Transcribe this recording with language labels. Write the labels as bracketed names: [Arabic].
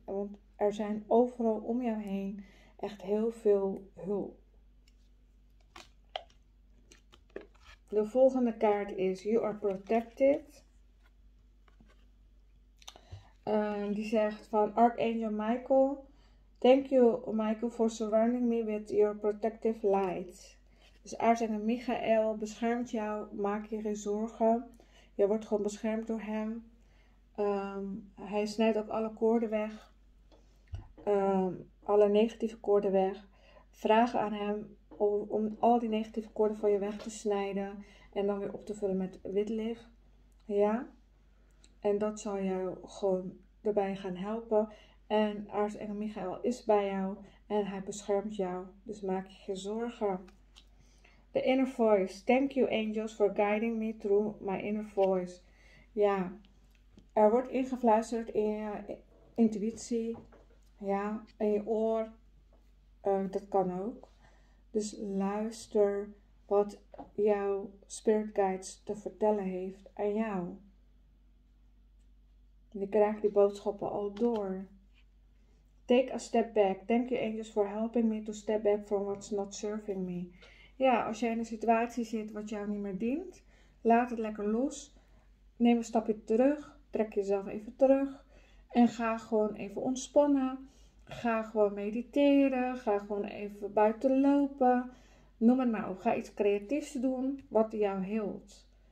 [Dutch] Want er zijn overal om jou heen echt heel veel hulp. De volgende kaart is [English] You are protected. [Dutch] Die zegt van Archangel Michael. [English] Thank you Michael for surrounding me with your protective light. [Dutch] Dus aartsengel Michael beschermt jou, maak je geen zorgen. Je wordt gewoon beschermd door hem. Hij snijdt ook alle koorden weg. Alle negatieve koorden weg. Vraag aan hem om al die negatieve koorden van je weg te snijden. En dan weer op te vullen met wit licht. Ja. En dat zal jou gewoon erbij gaan helpen. En aartsengel Michael is bij jou. En hij beschermt jou. Dus maak je geen zorgen. [English] The inner voice. Thank you angels for guiding me through my inner voice. [Dutch] Ja, er wordt ingefluisterd in je intuïtie. Ja, in je oor. Dat kan ook. Dus luister wat jouw spirit guides te vertellen heeft aan jou. En je krijgt die boodschappen al door. [English] Take a step back. Thank you angels for helping me to step back from what's not serving me. [Dutch] Ja, als jij in een situatie zit wat jou niet meer dient, laat het lekker los. Neem een stapje terug, trek jezelf even terug en ga gewoon even ontspannen. Ga gewoon mediteren, ga gewoon even buiten lopen. Noem het maar op, ga iets creatiefs doen wat jou heelt.